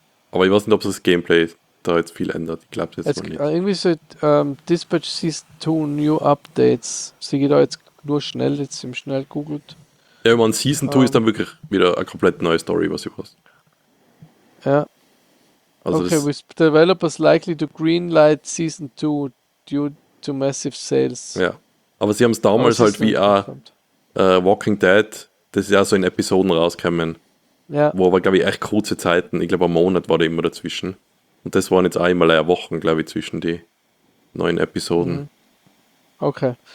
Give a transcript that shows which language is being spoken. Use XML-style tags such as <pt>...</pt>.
<de>Aber ich weiß nicht, ob das Gameplay da jetzt viel ändert. Ich glaube, jetzt wohl nicht. Irgendwie so,</de> <en>Dispatch sees 2 new updates.</en> <de>Sehe ich da jetzt nur schnell, jetzt im schnell googelt. Ja, ich meine, Season 2 ist dann wirklich wieder eine komplett neue Story, was ich weiß. Ja.</de> <en>Also okay, with developers likely to greenlight Season 2 due to massive sales.</en> <de>Ja, aber sie haben es damals halt wie auch Walking Dead, das ist ja so in Episoden rausgekommen, ja. Wo aber, glaube ich, echt kurze Zeiten, ich glaube, ein Monat war da immer dazwischen. Und das waren jetzt einmal eine Woche, glaube ich, zwischen die neuen Episoden. Mhm. Okay.</de>